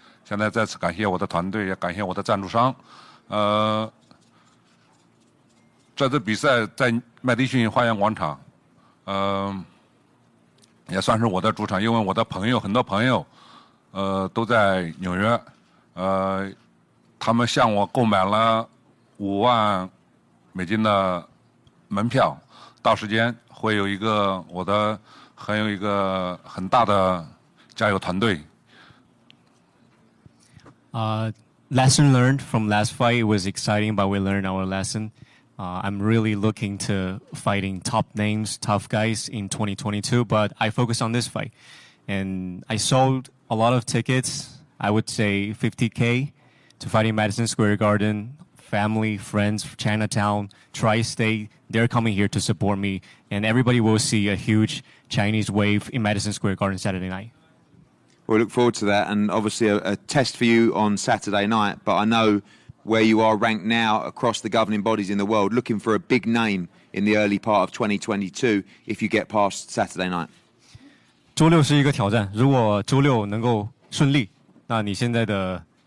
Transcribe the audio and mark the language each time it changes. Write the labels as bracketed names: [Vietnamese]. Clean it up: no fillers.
[Chinese] 现在再次感谢我的团队，也感谢我的赞助商。这次比赛在麦迪逊花园广场，也算是我的主场，因为我的朋友很多朋友，都在纽约，他们向我购买了5万美金的门票，到时间会有一个我的很有一个很大的加油团队。 [English] Lesson learned from last fight was exciting, but we learned our lesson. I'm really looking to fighting top names, tough guys in 2022, but I focus on this fight. And I sold a lot of tickets, I would say 50K, to fighting Madison Square Garden, family, friends, Chinatown, Tri-State, they're coming here to support me. And everybody will see a huge Chinese wave in Madison Square Garden Saturday night. Well, I look forward to that. And obviously a test for you on Saturday night. But I know where you are ranked now across the governing bodies in the world, looking for a big name in the early part of 2022 if you get past Saturday night. [Chinese] 周六是一个挑战，如果周六能够顺利，那你现在的